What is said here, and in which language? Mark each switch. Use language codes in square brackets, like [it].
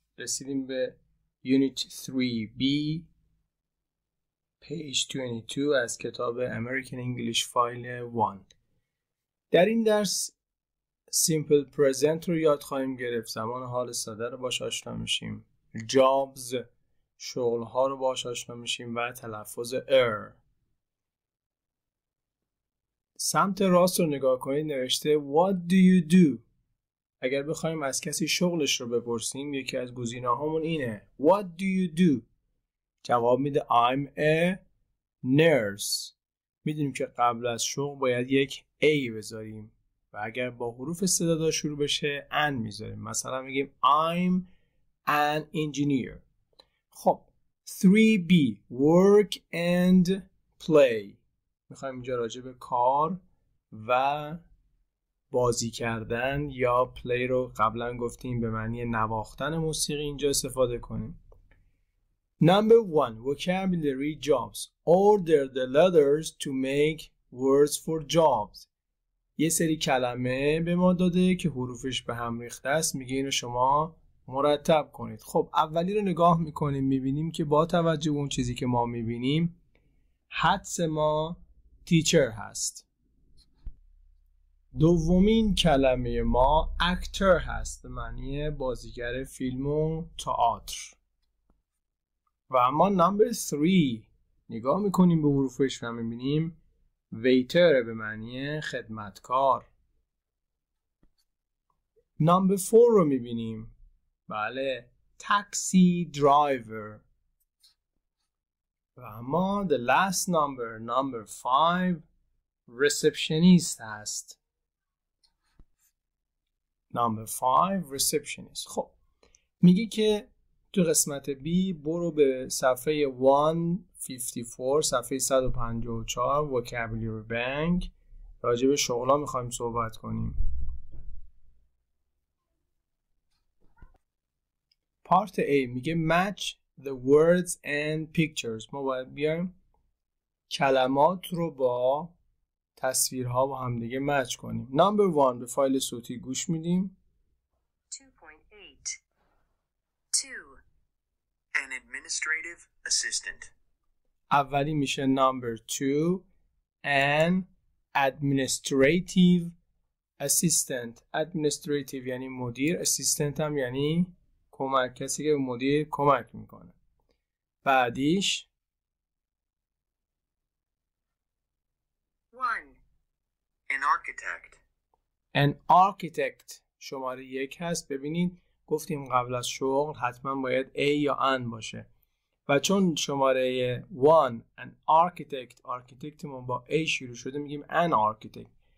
[fa] رسیدیم به unit 3B page 22 از کتاب American English File 1. در این درس simple present رو یاد خواهیم گرفت. زمان حال ساده رو باهاش آشنا میشیم. Jobs شغل ها رو باهاش آشنا میشیم و تلفظ er. سمت راست رو نگاه کنید نوشته [en] what do you do. [fa] اگر بخوایم از کسی شغلش رو بپرسیم یکی از گزینه‌هامون اینه [en] What do you do؟ [fa] جواب میده [en] I'm a nurse. [fa] میدونیم که قبل از شغل باید یک A بذاریم و اگر با حروف صدادار شروع بشه N میذاریم. مثلا میگیم [en] I'm an engineer. خب 3B Work and play. [fa] میخوایم اینجا راجع به کار و بازی کردن یا پلی رو قبلا گفتیم به معنی نواختن موسیقی اینجا استفاده کنیم. [en] Number 1 vocabulary jobs. Order the letters to make words for jobs. [fa] یه سری کلمه به ما داده که حروفش به هم ریخته است، میگه اینو شما مرتب کنید. خب اولی رو نگاه میکنیم میبینیم که با توجه به اون چیزی که ما میبینیم حدس ما teacher هست. دومین کلمه ما actor هست، معنی بازیگر فیلم و تئاتر. و اما number 3 نگاه میکنیم به حروفش و میبینیم waiter به معنی خدمتکار. [en] number 4 [fa] رو میبینیم، بله [en] taxi driver. [fa] و اما [en] the last number number 5 receptionist هست. Number 5 receptionist. [fa] خب میگی که تو قسمت B برو به صفحه 154 صفحه 154 vocabulary bank راجع به شغلا میخوایم صحبت کنیم. [en] Part A میگه match the words and pictures. [fa] ما باید بیایم کلمات رو با تصویرها با هم دیگه مچ کنیم. Number 1 به فایل صوتی گوش میدیم. [en] 2.8 2 An administrative assistant. [fa] اولی میشه number 2 An administrative assistant. Administrative یعنی مدیر، assistant هم یعنی کمک، کسی که مدیر کمک میکنه. بعدیش [en] 1 An architect. [fa] An architect شماره یک هست. ببینید گفتیم قبل از شغل حتما باید A یا N باشه و چون شماره 1 An architect، architect ما با A شروع شده میگیم An architect.